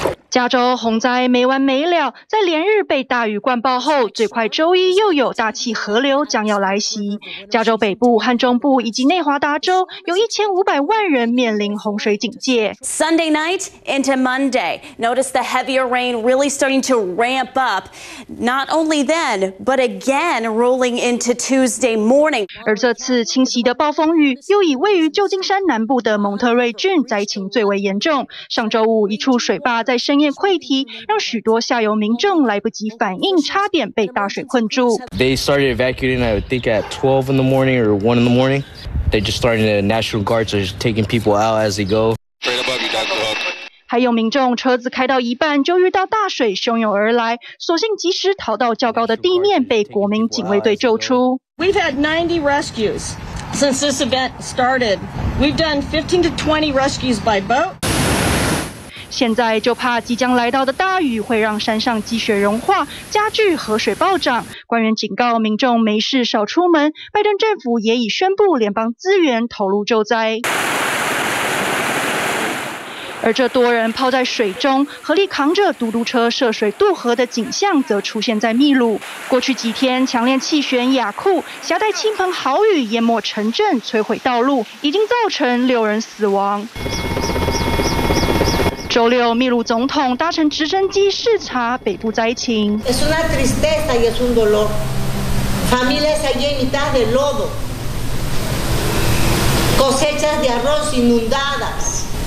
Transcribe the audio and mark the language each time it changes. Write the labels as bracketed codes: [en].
[zh] 加州洪灾没完没了，在连日被大雨灌爆后，最快周一又有大气河流将要来袭。加州北部和中部以及内华达州有1500万人面临洪水警戒。 [en] Sunday night into Monday, notice the heavier rain really starting to ramp up. Not only then, but again rolling into Tuesday morning. [zh] 而这次侵袭的暴风雨又以位于旧金山南部的蒙特瑞郡灾情最为严重。上周五，一处水坝在深念溃堤，让许多下游民众来不及反应，差点被大水困住。 [en] They started evacuating, I think, at 12 in the morning or 1 in the morning. They just started the National Guards are taking people out as they go. [zh] 还有民众车子开到一半就遇到大水汹涌而来，所幸及时逃到较高的地面，被国民警卫队救出。 [en] We've had 90 rescues since this event started. We've done 15 to 20 rescues by boat. [zh] 现在就怕即将来到的大雨会让山上积雪融化，加剧河水暴涨。官员警告民众没事少出门。拜登政府也已宣布联邦资源投入救灾。而这多人泡在水中，合力扛着嘟嘟车涉水渡河的景象则出现在秘鲁。过去几天，强烈气旋雅库携带倾盆豪雨淹没城镇，摧毁道路，已经造成六人死亡。周六，秘鲁总统搭乘直升机视察北部灾情。 [es] Es una tristeza y es un dolor. Familias allí en mitad de lodo, cosechas de arroz inundadas.